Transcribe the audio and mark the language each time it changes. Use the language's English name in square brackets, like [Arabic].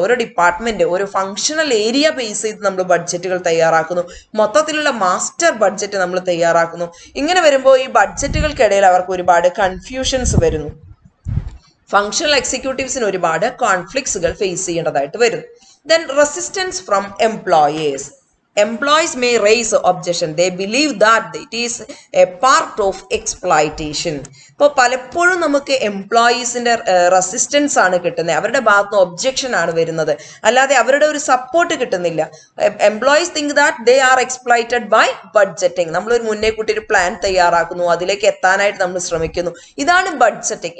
[Malayalam] ഓരോ ഡിപ്പാർട്ട്മെന്റ് ഓരോ functional area base ചെയ്ത് നമ്മൾ ബഡ്ജറ്റുകൾ തയ്യാറാക്കുന്നു. മൊത്തത്തിലുള്ള മാസ്റ്റർ ബഡ്ജറ്റ് നമ്മൾ തയ്യാറാക്കുന്നു. ഇങ്ങനെ വരുമ്പോൾ ഈ ബഡ്ജറ്റുകൾക്കിടയിൽ അവർക്ക് ഒരുപാട് കൺഫ്യൂഷൻസ് വരുന്നു. ഫങ്ഷണൽ എക്സിക്യൂട്ടീവ്സിന് ഒരുപാട് കോൺഫ്ലിക്ട്സുകൾ ഫേസ് ചെയ്യേണ്ടതായിട്ട് വരുന്നു. [English] Then resistance from employers. Employees may raise objection. They believe that it is a part of exploitation. [Malayalam] ഇപ്പോൾ പലപ്പോഴും നമുക്ക് എംപ്ലോയീസിൻ്റെ റെസിസ്റ്റൻസ് ആണ് കിട്ടുന്നത്, അവരുടെ ഭാഗത്ത് നിന്ന് ഒബ്ജെക്ഷൻ ആണ് വരുന്നത്, അല്ലാതെ അവരുടെ ഒരു സപ്പോർട്ട് കിട്ടുന്നില്ല. [English] Employees think that they are exploited by budgeting. [Malayalam] നമ്മളൊരു മുന്നേ കൂട്ടി ഒരു പ്ലാൻ തയ്യാറാക്കുന്നു, അതിലേക്ക് എത്താനായിട്ട് നമ്മൾ ശ്രമിക്കുന്നു, ഇതാണ് ബഡ്ജറ്റിംഗ്.